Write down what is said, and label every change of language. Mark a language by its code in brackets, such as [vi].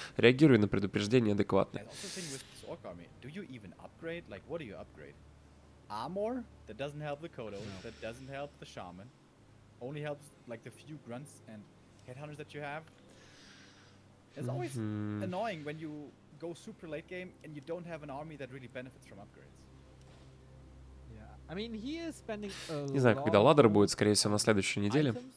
[ru] Реагируй на предупреждение адекватно. [en] Go super late game and you don't have an army that really benefits from upgrades. Yeah. I mean, he is spending [ru] Не знаю, когда ладдер будет, скорее всего, на следующей неделе.